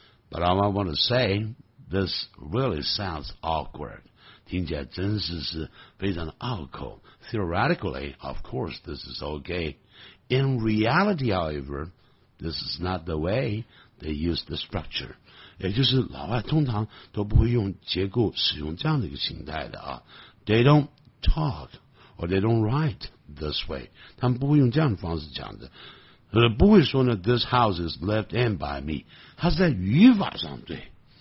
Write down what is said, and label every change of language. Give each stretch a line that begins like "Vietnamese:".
English: But I want to say, this really sounds awkward.
Chinese: 听起来真是是非常的拗口。
English: Theoretically, of course, this is okay. In reality, however, this is not the way they use the structure.
Chinese: 也就是老外通常都不会用结构使用这样的一个形态的啊。
English: They don't talk, or they don't write. This way，
Chinese: 他们不会用这样的方式讲的，不会说呢
English: This house is left in by me，
Chinese: 它是在语法上对。